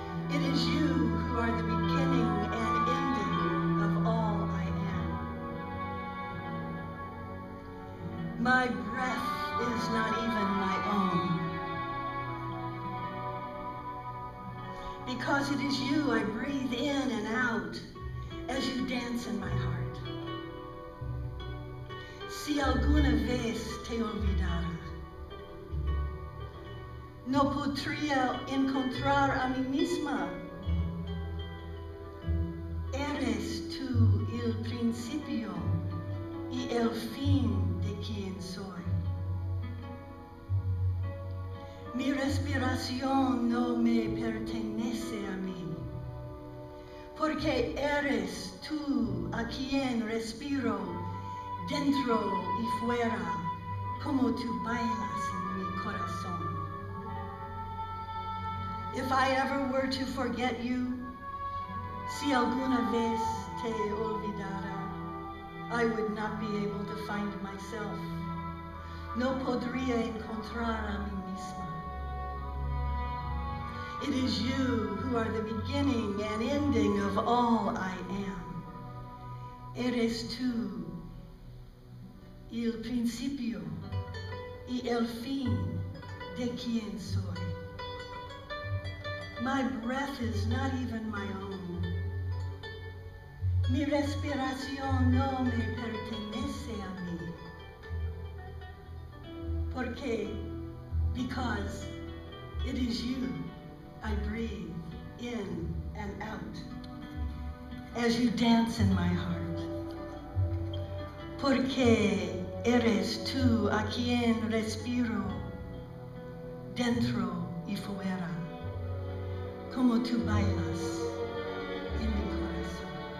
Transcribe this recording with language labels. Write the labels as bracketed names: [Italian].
[English] It is you who are the beginning and ending of all I am. My breath is not even my own. Because it is you I breathe in and out as you dance in my heart. [Spanish] Si alguna vez te olvidara, no podría encontrar a mí misma. Eres tú el principio y el fin de quien soy. Mi respiración no me pertenece a mí, porque eres tú a quien respiro dentro y fuera, como tú bailas en mi corazón. [English] If I ever were to forget you, [Spanish] si alguna vez te olvidara, [English] I would not be able to find myself. [Spanish] No podría encontrar a mí misma. [English] It is you who are the beginning and ending of all I am. [Spanish] Eres tú el principio y el fin de quien soy. [English] My breath is not even my own. [Spanish] Mi respiración no me pertenece a mí. Porque, [English] because it is you I breathe in and out as you dance in my heart. [Spanish] Porque eres tú a quien respiro dentro y fuera, como tú bailas en mi corazón.